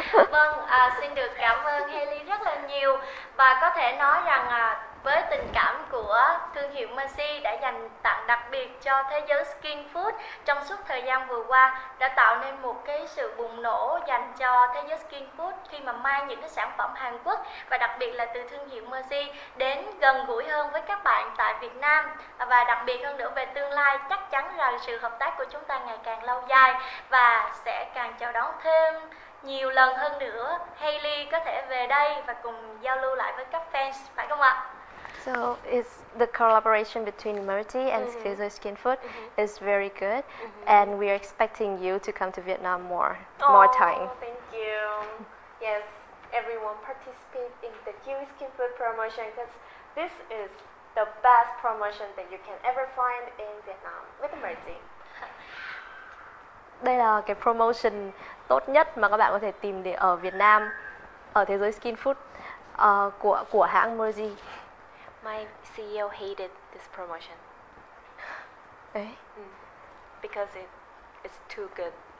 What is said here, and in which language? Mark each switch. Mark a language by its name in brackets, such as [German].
[Vietnamese] Vâng, xin được cảm ơn Hailey rất là nhiều. Và có thể nói rằng với tình cảm của thương hiệu Mercy đã dành tặng đặc biệt cho Thế Giới Skin Food trong suốt thời gian vừa qua đã tạo nên một cái sự bùng nổ dành cho Thế Giới Skin Food khi mà mang những cái sản phẩm Hàn Quốc và đặc biệt là từ thương hiệu Mercy đến gần gũi hơn với các bạn tại Việt Nam. Và đặc biệt hơn nữa về tương lai, chắc chắn rằng sự hợp tác của chúng ta ngày càng lâu dài và sẽ càng chào đón thêm nhiều lần hơn nữa Hailey có thể về đây và cùng giao lưu lại với các fans, phải không ạ? [English] So is the collaboration between Mercy and mm-hmm. Skizzo Skin Food mm-hmm. is very good mm-hmm. and we are expecting you to come to Vietnam more time. Thank you. Yes, everyone participate in the Kiwi Skin Food promotion because this is the best promotion that you can ever find in Vietnam with Mercy. [Vietnamese] Đây là cái promotion tốt nhất mà các bạn có thể tìm để ở Việt Nam, ở Thế Giới Skin Food của hãng Mercy. [English] My CEO hated this promotion. Eh? Because it's too good.